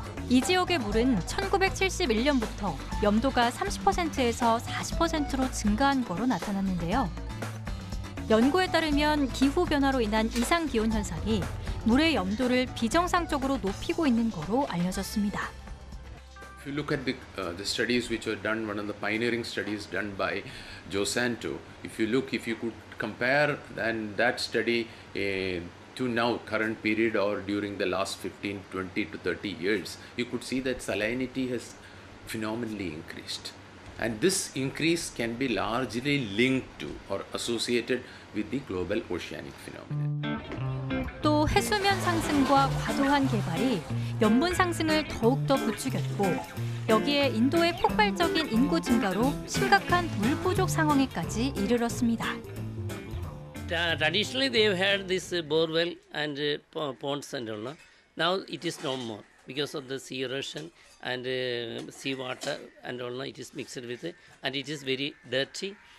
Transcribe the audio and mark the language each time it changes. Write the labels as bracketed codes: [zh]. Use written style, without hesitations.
[ko] 이 지역의 물은 1971년부터 염도가 30%에서 40%로 증가한 거로 나타났는데요. 연구에 따르면 기후변화로 인한 이상기온 현상이 물의 염도를 비정상적으로 높이고 있는 거로 알려졌습니다. [en] If you look at the studies which were done, one of the pioneering studies done by Joe Santo, if you could compare then that study to now current period or during the last 15, 20 to 30 years, you could see that salinity has phenomenally increased. And this increase can be largely linked to or associated with the global oceanic phenomenon. [ko] 또 해수면 상승과 과도한 개발이 염분 상승을 더욱더 부추겼고 여기에 인도의 폭발적인 인구 증가로 심각한 물 부족 상황에까지 이르렀습니다. [en] Traditionally they have had this borewell and ponds and all. Now it is no more because of the sea erosion and sea water and all. It is mixed with it and it is very dirty.